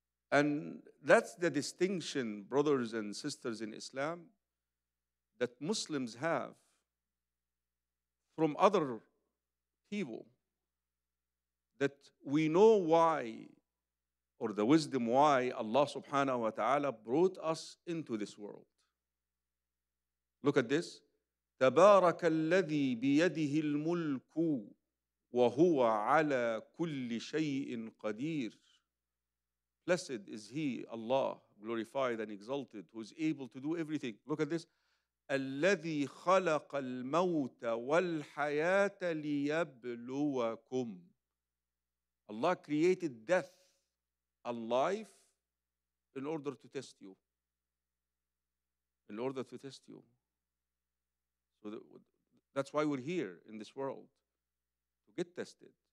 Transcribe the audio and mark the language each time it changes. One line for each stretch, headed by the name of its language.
English: And that's the distinction, brothers and sisters in Islam, that Muslims have from other people, that we know why, or the wisdom why Allah subhanahu wa ta'ala brought us into this world. Look at this.
Arabic: تبارك الذي بيده الملك وهو على كل شيء قدير.
English: Blessed is he, Allah, glorified and exalted, who is able to do everything. Look at this.
Arabic: الذي خلق الموت والحياة ليبلوكم.
English: Allah created death and life in order to test you. In order to test you. So that's why we're here in this world, to get tested.